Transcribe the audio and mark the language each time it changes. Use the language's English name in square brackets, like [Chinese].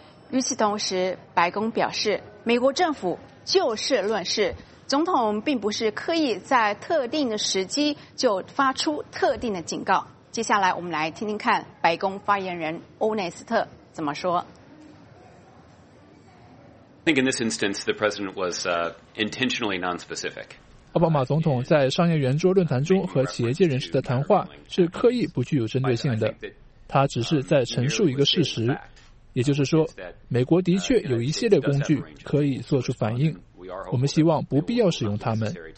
[Chinese] 与此同时，白宫表示，美国政府就事论事，总统并不是刻意在特定的时机就发出特定的警告。接下来我们来听听看白宫发言人欧内斯特怎么说。 [English] I think in this instance, the president was intentionally non-specific. [Chinese] 奥巴马总统在商业圆桌论坛中和企业界人士的谈话是刻意不具有针对性的，他只是在陈述一个事实，也就是说美国的确有一系列工具可以做出反应，我们希望不必要使用它们。